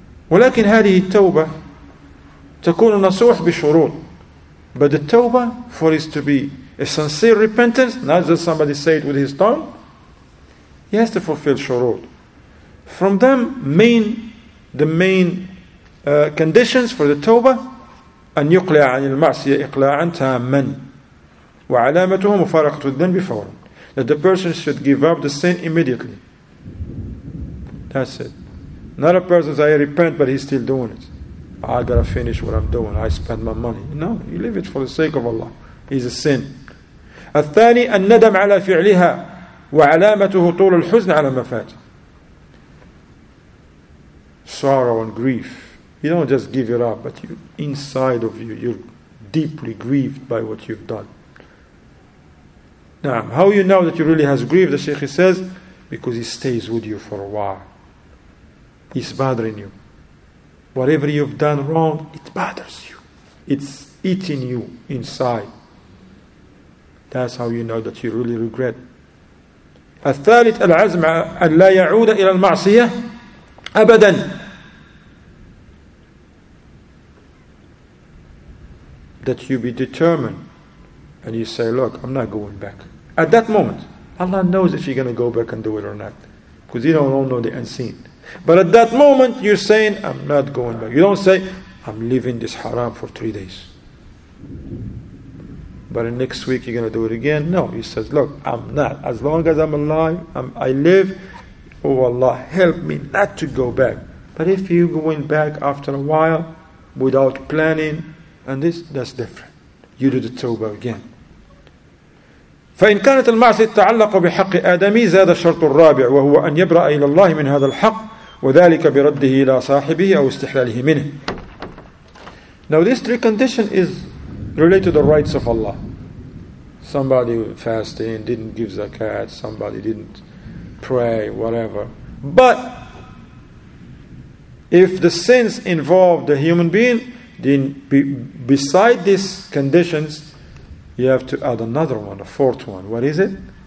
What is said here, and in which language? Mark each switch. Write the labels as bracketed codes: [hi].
[ar] ولكن هذه التوبة تكون نصوح بشروط. [en] But the tawbah, for it to be a sincere repentance, not just somebody say it with his tongue, he has to fulfill shurut. From them, the main conditions for the tawbah, [ar] أن يقلع عن المعصية إقلاعا تاما وعلامته مفارقة الذنب فورا. [en] That the person should give up the sin immediately. That's it. Not a person says, I repent, but he's still doing it. I gotta finish what I'm doing. I spend my money. No, you leave it for the sake of Allah. It's a sin. [ar] الثاني الندم على فعلها وعلامته طول الحزن على ما فات. [en] Sorrow and grief. You don't just give it up, but you, inside of you, you're deeply grieved by what you've done. Now, how you know that you really has grieved, the Shaykh says, because he stays with you for a while. He's bothering you. Whatever you've done wrong, it bothers you. It's eating you inside. That's how you know that you really regret. [ar] الثالث العزم أن لا يعود إلى المعصية أبداً. [en] That you be determined and you say, look, I'm not going back. At that moment, Allah knows if you're going to go back and do it or not. Because you don't all know the unseen. But at that moment, you're saying, I'm not going back. You don't say, I'm leaving this haram for 3 days. But next week, you're going to do it again. No, he says, look, I'm not. As long as I'm alive, I live, oh Allah, help me not to go back. But if you're going back after a while, without planning, and this, that's different. You do the tawbah again. [ar] فإن كانت المعصية تتعلق بحق آدمي زاد الشرط الرابع وهو أن يبرأ إلى الله من هذا الحق وذلك برده إلى صاحبه أو استحلاله منه. [en] Now this three condition is related to the rights of Allah. Somebody fasting, didn't give zakat, somebody didn't pray, whatever. But if the sins involve the human being, then beside these conditions, you have to add another one, a fourth one. What is it?